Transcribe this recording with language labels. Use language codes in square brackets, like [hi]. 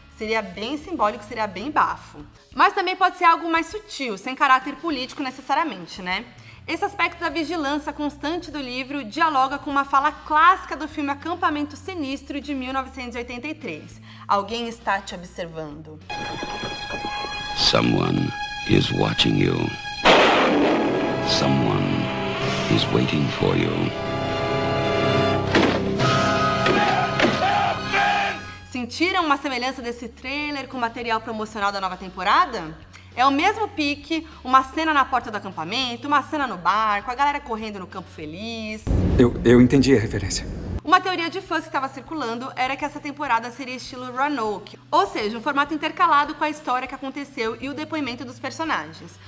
[pt] Seria bem simbólico, seria bem bafo. Mas também pode ser algo mais sutil, sem caráter político necessariamente, né? Esse aspecto da vigilância constante do livro dialoga com uma fala clássica do filme Acampamento Sinistro, de 1983. Alguém está te observando. [en] Someone is watching you. Someone is waiting for you. [pt] Sentiram uma semelhança desse trailer com o material promocional da nova temporada? É o mesmo pique, uma cena na porta do acampamento, uma cena no bar, com a galera correndo no campo feliz. Eu entendi a referência. Uma teoria de fãs que estava circulando era que essa temporada seria estilo Roanoke, ou seja, um formato intercalado com a história que aconteceu e o depoimento dos personagens.